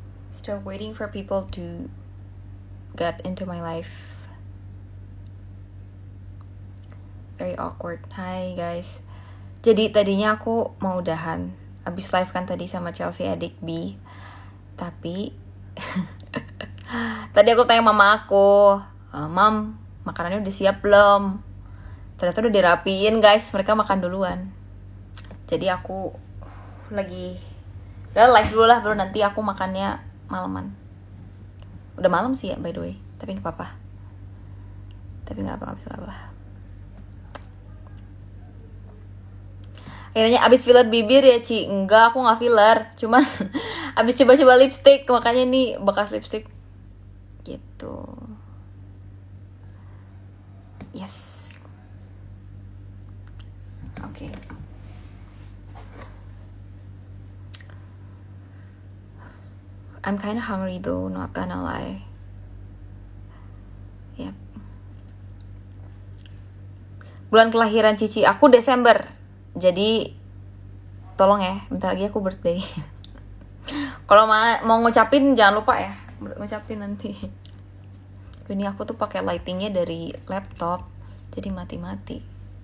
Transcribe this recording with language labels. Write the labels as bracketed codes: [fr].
[en] Still waiting for people to get into my life. Very awkward. Hi guys. [id] Jadi tadinya aku mau udahan. Abis live kan tadi sama Chelsea adik B. Tapi tadi aku tanya mama aku, "Mam, makanannya udah siap belum?" Ternyata udah dirapiin, guys. Mereka makan duluan. Jadi aku lagi udah live dulu lah, baru nanti aku makannya malaman. Udah malam sih ya, [en] by the way. [id] Tapi gak apa-apa. Tapi gak apa-apa, gak apa-apa. Akhirnya abis filler bibir ya, Ci? Enggak, aku gak filler. Cuman abis coba-coba lipstick, makanya ini bekas lipstick. Gitu. [en] Yes. Oke. I'm kind of hungry though, not gonna lie. Yep. [id] Bulan kelahiran Cici, aku Desember. Jadi tolong ya, bentar lagi aku birthday. Kalau mau ngucapin jangan lupa ya, ngucapin nanti. Ini aku tuh pakai lightingnya dari laptop, jadi mati-mati.